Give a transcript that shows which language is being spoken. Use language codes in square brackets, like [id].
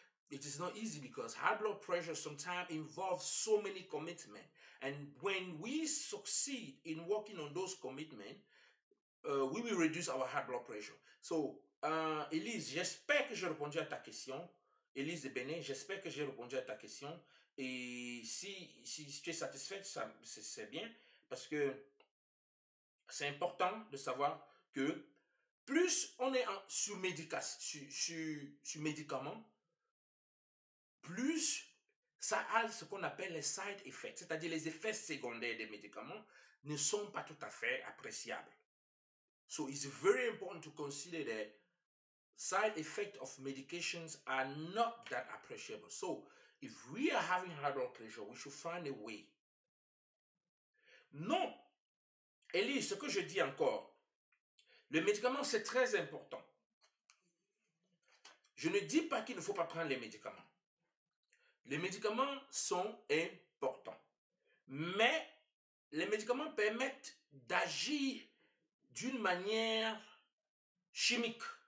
[en] It is not easy because high blood pressure sometimes involves so many commitments. And when we succeed in working on those commitments, we will reduce our high blood pressure. [fr] So, Elise, j'espère que j'ai répondu à ta question. Elise de Bénin, j'espère que j'ai répondu à ta question. Et si tu es satisfaite, ça, c'est bien. Parce que c'est important de savoir que plus on est sur médicaments, plus ça a ce qu'on appelle les side effects, c'est-à-dire les effets secondaires des médicaments ne sont pas tout à fait appréciables. [en] So it's very important to consider that side effects of medications are not that appreciable. So if we are having high blood pressure, we should find a way. [fr] Non, Elise, ce que je dis encore, le médicament, c'est très important. Je ne dis pas qu'il ne faut pas prendre les médicaments. Les médicaments sont importants. Mais les médicaments permettent d'agir d'une manière chimique.